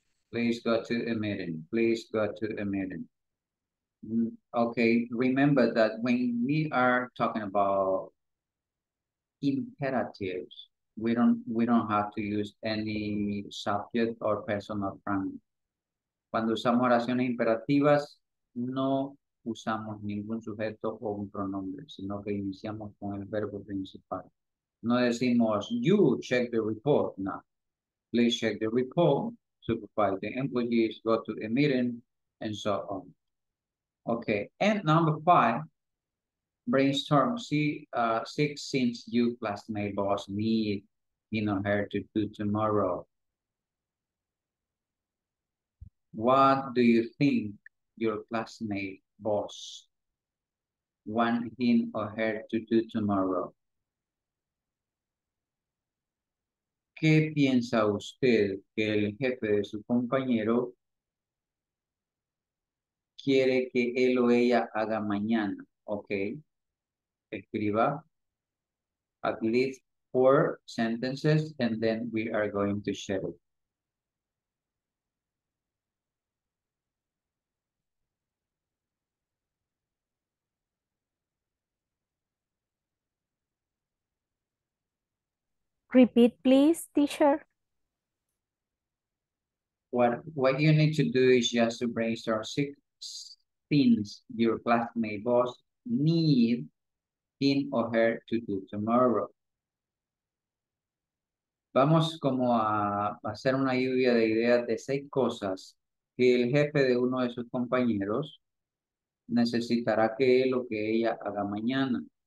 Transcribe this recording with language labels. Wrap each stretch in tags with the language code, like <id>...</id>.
<en>Please go to a meeting. Please go to a meeting. Okay, remember that when we are talking about imperatives, we don't have to use any subject or personal pronoun.</en> <es>Cuando usamos oraciones imperativas, no usamos ningún sujeto o un pronombre, sino que iniciamos con el verbo principal. No decimos,</es> <en>you check the report. No. Please check the report. Supervise the employees, go to a meeting, and so on. Okay, and number five, brainstorm six things you classmate boss need in order to do tomorrow. What do you think your classmate boss want him or her to do tomorrow?</en> <es>¿Qué piensa usted que el jefe de su compañero quiere que él o ella haga mañana?</es> <en>Okay.</en> <es>Escriba</es> <en>at least four sentences and then we are going to share it. Repeat, please, teacher. What you need to do is just to brainstorm six things your classmate boss need him or her to do tomorrow.</en> <es>Vamos como a hacer una lluvia de ideas de seis cosas que el jefe de uno de sus compañeros necesitará que él o que ella haga mañana.</es>